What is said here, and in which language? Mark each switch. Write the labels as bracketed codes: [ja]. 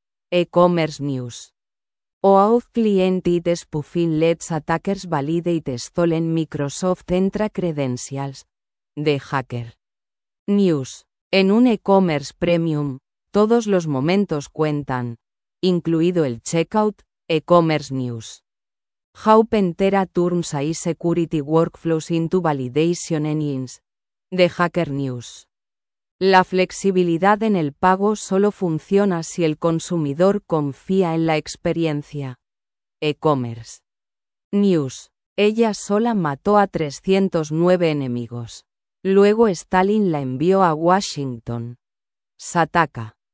[en] E-commerce news. OAuth client IT spoofing lets attackers validate stolen Microsoft Entra credentials. The Hacker. News. [es] En un e-commerce premium, todos los momentos cuentan, incluido el checkout. [en] E-commerce news. How Pentera turns AI security workflows into validation engines. The Hacker News. [es] La flexibilidad en el pago solo funciona si el consumidor confía en la experiencia. E-commerce News. Ella sola mató a 309 enemigos. Luego Stalin la envió a Washington. Sataka.